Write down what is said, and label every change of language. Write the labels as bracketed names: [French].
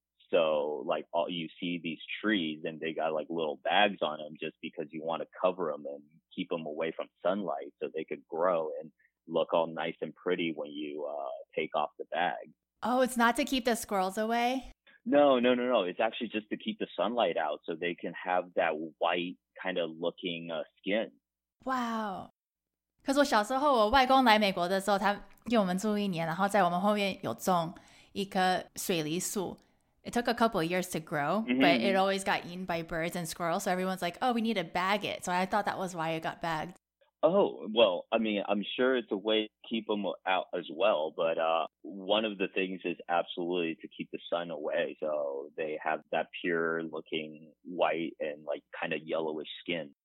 [English] So, like, all you see these trees, and they got like little bags on them just because you want to cover them and keep them away from sunlight so they could grow and look all nice and pretty when you take off the bag. Oh, it's not to keep the squirrels away? No. It's actually just to keep the sunlight out so they can have that white kind of looking skin. 哇哦！ [Chinese] 可是我小时候，我外公来美国的时候，他给我们住一年，然后在我们后面有种一棵水梨树。 [English] It took a couple of years to grow, but it always got eaten by birds and squirrels. So everyone's like, oh, we need to bag it. So I thought that was why it got bagged. Oh, well, I mean, I'm sure it's a way to keep them out as well, but one of the things is absolutely to keep the sun away so they have that pure looking white and like kind of yellowish skin.